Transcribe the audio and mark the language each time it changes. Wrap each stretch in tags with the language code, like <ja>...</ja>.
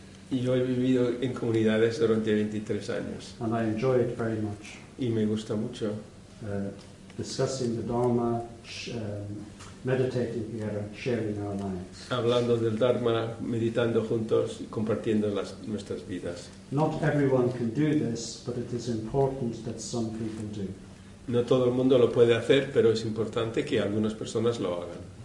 <es>Y yo he vivido en comunidades durante 23 años.</es> <en>And I enjoy it very much.</en> <es>Y me gusta mucho.</es> <en>Discussing the Dharma, meditating together, sharing our lives.</en> <es>Hablando del Dharma, meditando juntos y compartiendo nuestras vidas.</es> <en>Not everyone can do this, but it is important that some people do.</en> <es>No todo el mundo lo puede hacer, pero es importante que algunas personas lo hagan.</es>